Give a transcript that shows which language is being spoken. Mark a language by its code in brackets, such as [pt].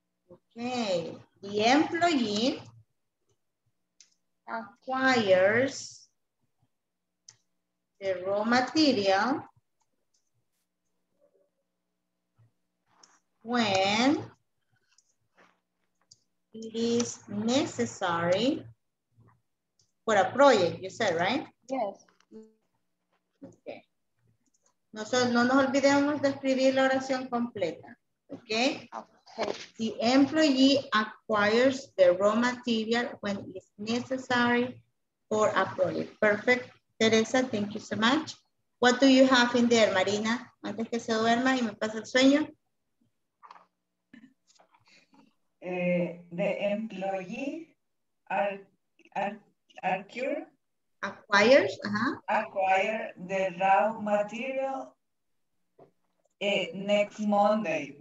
[en] Okay, the employee acquires the raw material when it is necessary for a project, you said, right? Yes. Okay. [es] No nos olvidemos de escribir la oración completa, okay? [en] Okay. The employee acquires the raw material when it is necessary for a project. Perfect. Teresa, thank you so much. What do you have in there, Marina? [es] Antes que se duerma y me pase el sueño. [en] The employee acquires acquire the raw material next Monday.